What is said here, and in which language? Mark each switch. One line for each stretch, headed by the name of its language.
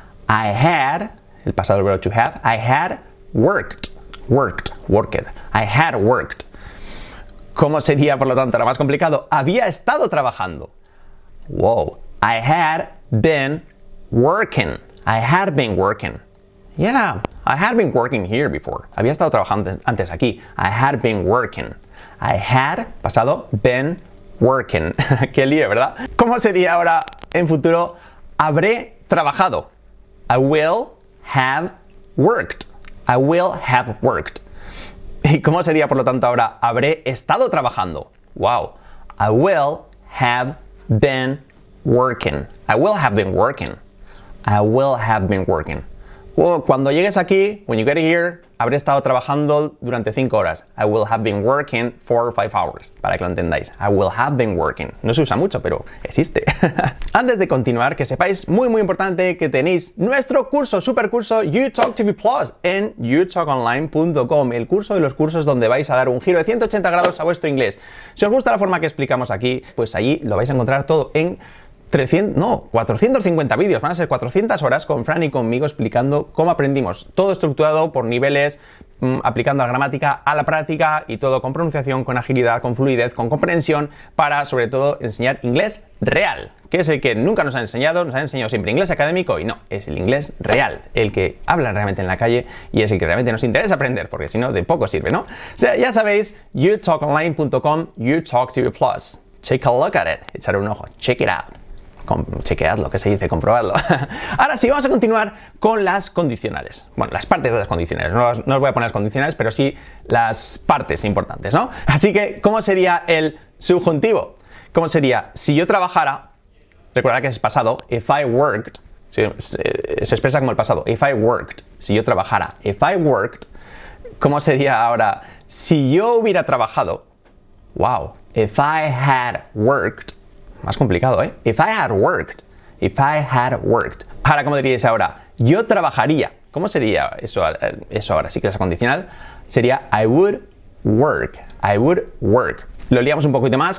English: I had,
Spanish: el pasado verbo
English: to have, I had worked. Worked, worked. I had worked.
Spanish: ¿Cómo sería, por lo tanto, lo más complicado? Había estado trabajando.
English: Wow. I had been working. I had been working. Yeah, I had been working here before.
Spanish: Había estado trabajando antes aquí.
English: I had been working. I had, pasado, been working.
Spanish: Qué lío, ¿verdad? ¿Cómo sería ahora, en futuro, habré trabajado?
English: I will have worked. I will have worked.
Spanish: ¿Y cómo sería, por lo tanto, ahora, habré estado trabajando? Wow.
English: I will have been working. I will have been working. I will have been working. Well,
Spanish: cuando llegues aquí,
English: when you get here,
Spanish: habré estado trabajando durante 5 horas.
English: I will have been working for 5 hours.
Spanish: Para que lo entendáis.
English: I will have been working.
Spanish: No se usa mucho, pero existe. Antes de continuar, que sepáis, muy muy importante, que tenéis nuestro curso, super curso, YouTalkTV Plus en youtalkonline.com. El curso de los cursos donde vais a dar un giro de 180 grados a vuestro inglés. Si os gusta la forma que explicamos aquí, pues allí lo vais a encontrar todo en 450 vídeos, van a ser 400 horas con Fran y conmigo explicando cómo aprendimos. Todo estructurado por niveles, aplicando la gramática a la práctica y todo con pronunciación, con agilidad, con fluidez, con comprensión, para sobre todo enseñar inglés real, que es el que nunca nos ha enseñado siempre inglés académico y no, es el inglés real, el que habla realmente en la calle y es el que realmente nos interesa aprender, porque si no, de poco sirve, ¿no? O sea, ya sabéis, youtalkonline.com, YouTalkTV Plus.
English: Take a look at it,
Spanish: echar un ojo,
English: check it out.
Spanish: Chequeadlo, que se dice, comprobadlo. Ahora sí, vamos a continuar con las condicionales. Bueno, las partes de las condicionales. No os voy a poner las condicionales, pero sí las partes importantes, ¿no? Así que, ¿cómo sería el subjuntivo? ¿Cómo sería? Si yo trabajara, recordad que es pasado,
English: if I worked,
Spanish: se expresa como el pasado, if I worked, si yo trabajara, if I worked, ¿cómo sería ahora? Si yo hubiera trabajado, wow,
English: if I had worked.
Spanish: Más complicado, ¿eh?
English: If I had worked. If I had worked.
Spanish: Ahora, ¿cómo diríais ahora? Yo trabajaría. ¿Cómo sería eso ahora? Sí que es condicional. Sería
English: I would work. I would work.
Spanish: Lo liamos un poquito más.